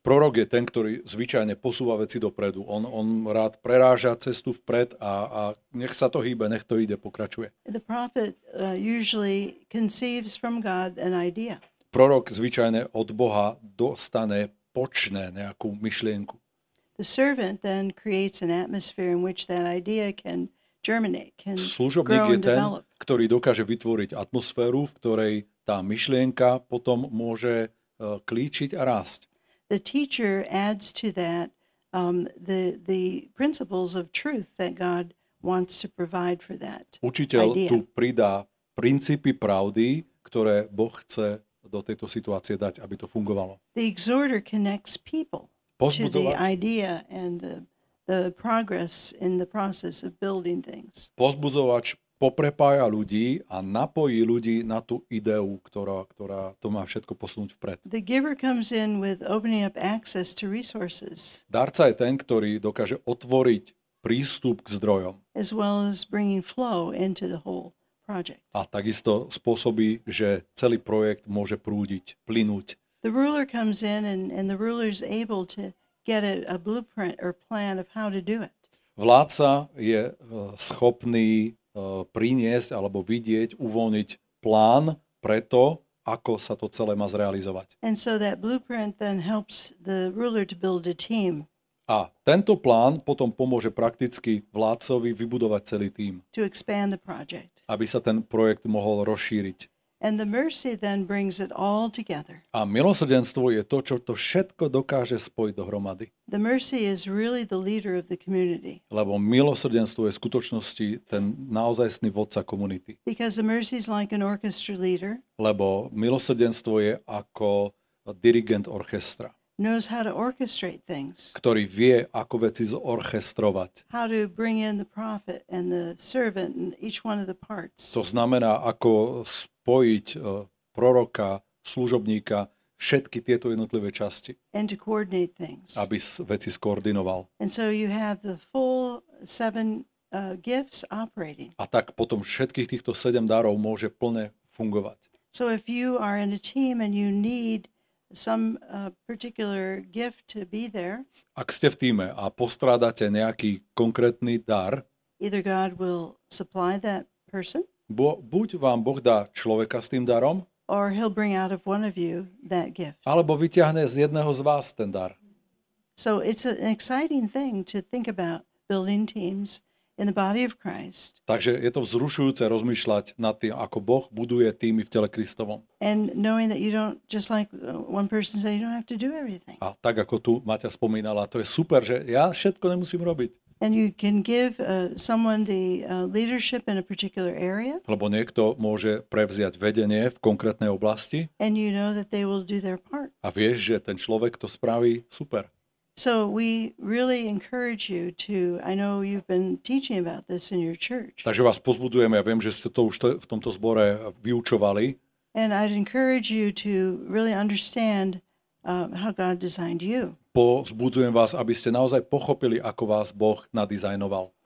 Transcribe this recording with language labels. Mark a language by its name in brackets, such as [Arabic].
[Slovak] Prorok je ten, ktorý zvyčajne posúva veci dopredu. On rád preráža cestu vpred a nech sa to hýbe, nech to ide, pokračuje. [English] The prophet usually conceives from God an idea. [Slovak] Prorok zvyčajne od Boha dostane počne nejakú myšlienku. [English] The servant then creates an atmosphere in which that idea can germinate, can grow. [Slovak] Služobník je ten, ktorý dokáže vytvoriť atmosféru, v ktorej tá myšlienka potom môže klíčiť a rásť. [English] The teacher adds to that the principles of truth that God wants to provide for that. [Slovak] Učiteľ tu pridá princípy pravdy, ktoré Boh chce do tejto situácie dať, aby to fungovalo. [English] The exhorter connects people to the idea and the progress in the process of building things. [Slovak] Pozbudzovač poprepája ľudí a napojí ľudí na tú ideu, ktorá to má všetko posunúť vpred. [English] The giver comes in with opening up access to resources. [Slovak] Darca je ten, ktorý dokáže otvoriť prístup k zdrojom. [English] As well as bringing flow into the whole project. [Slovak] A takisto spôsobí, že celý projekt môže prúdiť, plynúť. [English] The ruler comes in and the ruler is able to get a blueprint or plan of how to do it. [Slovak] Vládca je schopný priniesť alebo vidieť, uvoľniť plán pre to, ako sa to celé má zrealizovať. [English] And so that blueprint then helps the ruler to build a team. [Slovak] A tento plán potom pomôže prakticky vládcovi vybudovať celý tím. [English] To expand the project. [Slovak] Aby sa ten projekt mohol rozšíriť. [English] And the mercy then brings it all together. [Slovak] A milosrdenstvo je to, čo to všetko dokáže spojiť dohromady. [English] The mercy is really the leader of the community. [Slovak] Lebo milosrdenstvo je v skutočnosti ten naozajstný vodca komunity. [English] Because the mercy is like an orchestra leader. [Slovak] Lebo milosrdenstvo je ako dirigent orchestra. [English] Knows how to orchestrate things. [Slovak] Ktorý vie, ako veci zorchestrovať. [English] How to bring in the prophet and the servant and each one of the parts. [Slovak] To znamená, ako spojiť proroka, služobníka, všetky tieto jednotlivé časti. [English] And to coordinate things. [Slovak] Aby veci skoordinoval. [English] And so you have the full seven gifts operating. [Slovak] A tak potom všetkých týchto sedem darov môže plne fungovať. [English] So if you are in a team and you need some particular gift to be there. [Slovak] Ak ste v tíme a postrádate nejaký konkrétny dar, [English] either God will supply that person. [Slovak] Buď vám Boh dá človeka s tým darom, [English] or he'll bring out of one of you that gift. [Slovak] Alebo vyťahne z jedného z vás ten dar. [English] So it's an exciting thing to think about building teams in the body of Christ. [Slovak] Takže je to vzrušujúce rozmýšľať nad tým, ako Boh buduje týmy v tele Kristovom. [English] And knowing that you don't just like one person said you don't have to do everything. [Slovak] A tak ako tu Maťa spomínala, to je super, že ja všetko nemusím robiť. [English] And you can give someone the leadership in a particular area. [Slovak] Lebo niekto môže prevziať vedenie v konkrétnej oblasti. [English] And you know that they will do their part. [Slovak] A vieš, že ten človek to spraví super. [English] So we really encourage you to, I know you've been teaching about this in your church. [Slovak] Takže vás pozbudzujeme, ja viem, že ste to už v tomto zbore vyučovali. [English] And I'd encourage you to really understand how God designed you. [Slovak] Pozbudzujem vás, aby ste naozaj pochopili, ako vás Boh nadizajnoval.